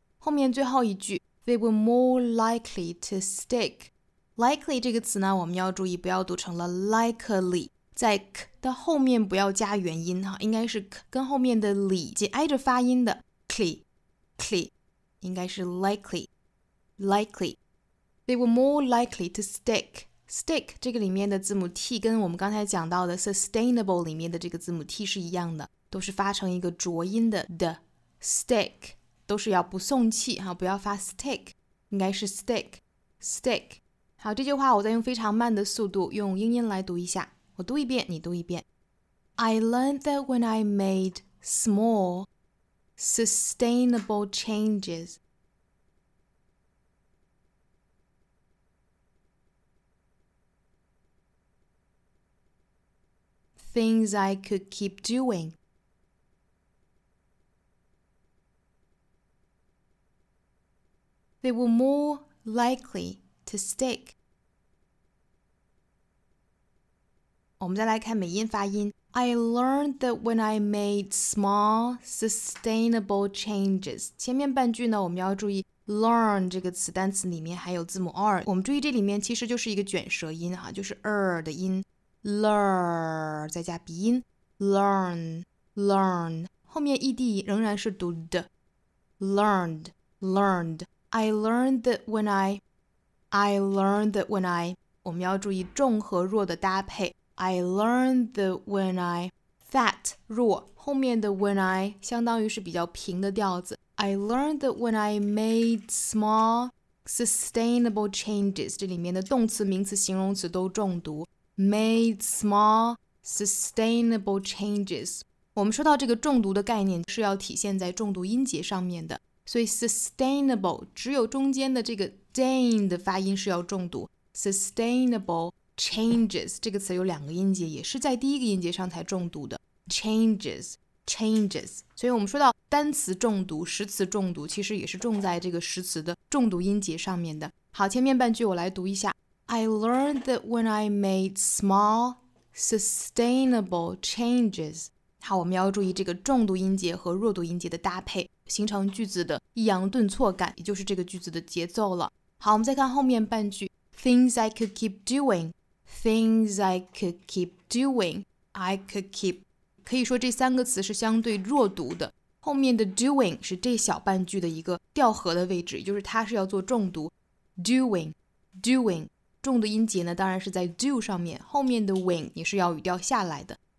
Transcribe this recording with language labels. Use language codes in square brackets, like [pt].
[zh] 后面最后一句 [en] they were more likely to stick, [zh] likely 这个词呢我们要注意不要读成了 likely, 在 k 的后面不要加元音，应该是 k 跟后面的 li 紧挨着发音的 cli, 应该是 likely。 [en] likely. They were more likely to stick. Stick 这个里面的字母 t 跟我们刚才讲到的 sustainable 里面的这个字母 t 是一样的，都是发成一个浊音的 the stick， 都是要不送气哈，不要发 stick， 应该是 stick stick。好，这句话我再用非常慢的速度用英音来读一下，我读一遍，你读一遍。 I learned that when I made small, sustainable changes. Things I could keep doing. They were more likely to stick. [zh] 我们再来看美音发音。 [en] I learned that when I made small, sustainable changes. [zh] 前面半句呢，我们要注意 learn 这个词单词里面还有字母 r。我们注意这里面其实就是一个卷舌音哈，就是 r 的音。 Learn 再加鼻音 ，learn 后面 ed 仍然是读的 ，learned。 [en] I learned that when I [zh] 我们要注意重和弱的搭配。 [en] I learned that when I that [zh] 弱后面的 [en] when I [zh] 相当于是比较平的调子。 [en] I learned that when I made small sustainable changes [zh] 这里面的动词、名词、形容词都重读。 [en] Made small sustainable changes. [zh] 我们说到这个重读的概念是要体现在重读音节上面的，所以 sustainable 只有中间的这个 dain 的发音是要重读。 [en] Sustainable changes [zh] 这个词有两个音节，也是在第一个音节上才重读的。 [en] Changes. [zh] 所以我们说到单词重读、实词重读，其实也是重在这个实词的重读音节上面的。好，前面半句我来读一下。 [en] I learned that when I made small, sustainable changes. [zh] 好，我们要注意这个重读音节和弱读音节的搭配，形成句子的抑扬顿挫感，也就是这个句子的节奏了。好，我们再看后面半句。 [en] Things I could keep doing. Things I could keep doing. I could keep. [zh] 可以说这三个词是相对弱读的。后面的 doing 是这小半句的一个调和的位置，也就是它是要做重读。 [en] Doing. [zh] 重的音节呢，当然是在 do 上面，后面的 wing 也是要语调下来的。